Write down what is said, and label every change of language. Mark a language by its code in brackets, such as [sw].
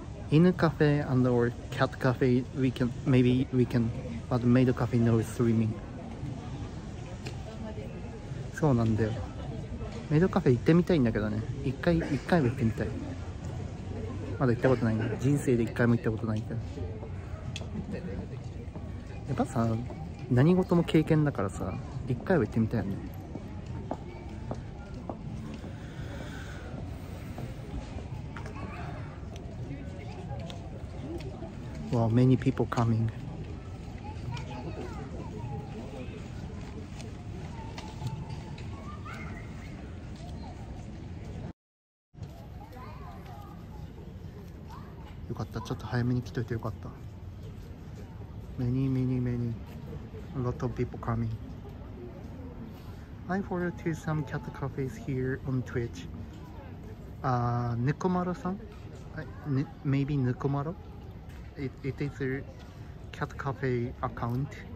[en] 犬カフェ and or cat cafe, we can, maybe we can, but maid cafe no streaming. [ja] そうなんだよ。メイドカフェ行ってみたいんだけどね。一回も行ってみたい。まだ行ったことないね。人生で一回も行ったことないけど。やっぱさ、何事も経験だからさ、一回は行ってみたいよね。 [en] Well, many people coming. [ja] よかった、ちょっと早めに来といてよかった。 [en] Many many many A lot of people coming. I follow to some cat cafes here on Twitch. Nekomaro さん?Maybe Nekomaro? It is a cat cafe account.